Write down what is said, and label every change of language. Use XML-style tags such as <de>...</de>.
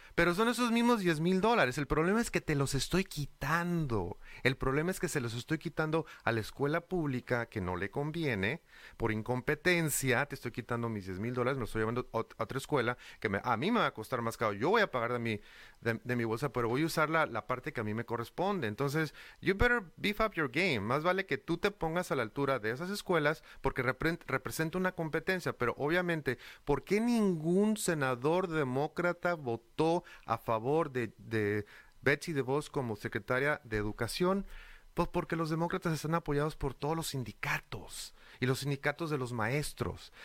<es>Pero son esos mismos $10,000. El problema es que te los estoy quitando. El problema es que se los estoy quitando a la escuela pública que no le conviene. Por incompetencia, te estoy quitando mis $10,000. Me estoy llevando a otra escuela que a mí me va a costar más caro. Yo voy a pagar de mi bolsa, pero voy a usar la parte que a mí me corresponde. Entonces,</es> <en>you better beef up your game.</en> <es>Más vale que tú te pongas a la altura de esas escuelas porque representa una competencia. Pero obviamente, ¿por qué ningún senador demócrata votó a favor de Betsy DeVos como secretaria de Educación? Pues porque los demócratas están apoyados por todos los sindicatos y los sindicatos de los maestros.</es>